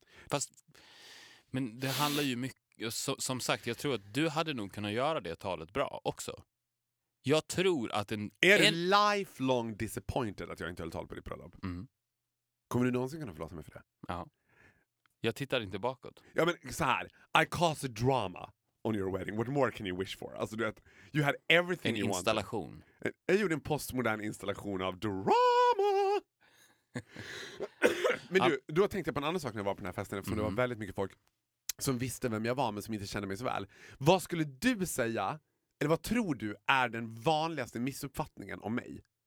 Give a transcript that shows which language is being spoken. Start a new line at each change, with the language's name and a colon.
Swedish: Fast, men det handlar ju mycket, som sagt, jag tror att du hade nog kunnat göra det talet bra också. Jag tror att en... Är du lifelong disappointed att jag inte höll tal på ditt bröllop? Mm. Kommer du någonsin kunna förlåta mig för det? Ja. Jag tittar inte bakåt. Ja, men så här.
English: I caused a drama on your wedding. What more can you wish for? Alltså, du vet, you had everything en you installation. Wanted.
Swedish: Jag gjorde en postmodern installation av drama! Men du, då tänkte jag på en annan sak när jag var på den här festen. Eftersom det var väldigt mycket folk som visste vem jag var men som inte kände mig så väl. Vad skulle du säga, eller vad tror du är den vanligaste missuppfattningen om mig?